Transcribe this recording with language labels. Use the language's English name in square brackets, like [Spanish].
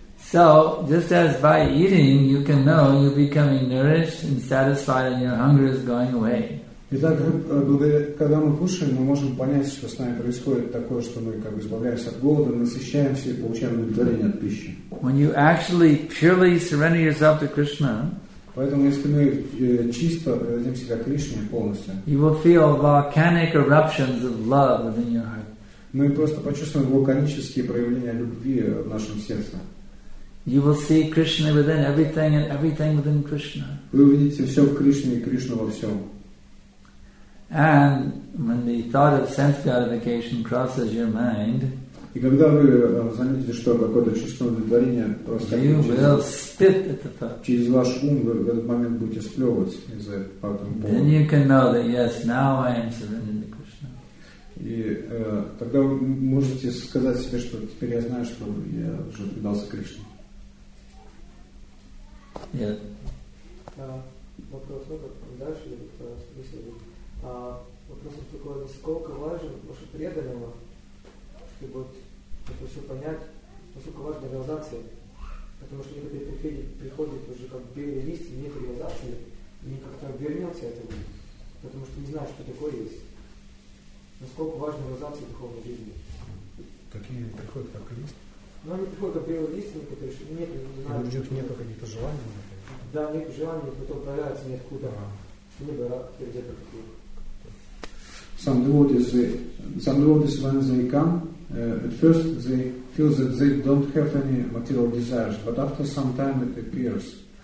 [English] So, just as by eating you can know you're becoming nourished and satisfied and your hunger is going away. [Russian] Итак, когда мы кушаем, мы можем понять, что с нами происходит такое, что мы как бы избавляемся от голода, насыщаемся и получаем удовлетворение от пищи. [English] When you actually purely surrender yourself to Krishna, [Russian] Поэтому если мы чисто предадим себя Кришне полностью, [English] you will feel volcanic eruptions of love within your heart. [Russian] Мы просто почувствуем вулканические проявления любви в нашем сердце. [English] You will see Krishna within everything and everything within Krishna. [Russian] Вы увидите все в Кришне и Кришну во всем. [English] And when the thought of sense gratification crosses your mind, [Russian] и когда вы заметите, что какое-то чувство удовлетворения просто [English] you will spit at the thought. [Russian] Через ваш ум вы в этот момент будете сплевывать из-за этого. [English] Then you can know that yes, now I am surrendered. [Russian] И тогда вы можете сказать себе, что теперь я знаю, что я уже предался Кришне. Нет. Вопрос только дальше, или если вопрос такой, насколько важен ваше преданного, чтобы это все понять, насколько важна реализация. Потому что некоторые приходят уже как белые листья, нет реализации, и не как-то обернется этому, потому что не знаешь, что такое есть. Насколько важна реализация духовной жизни? Какие приходят как лист? Ну, они приходят как белые листья, которые еще нет, не знаю. У людей нет каких-то желаний, например. Да, нет желаний, потом появляется ниоткуда. Ага. Либо рак, где-то какие-то. [English] Some devotees, when they come, at first they feel that they don't have any material desires, but after some time it appears.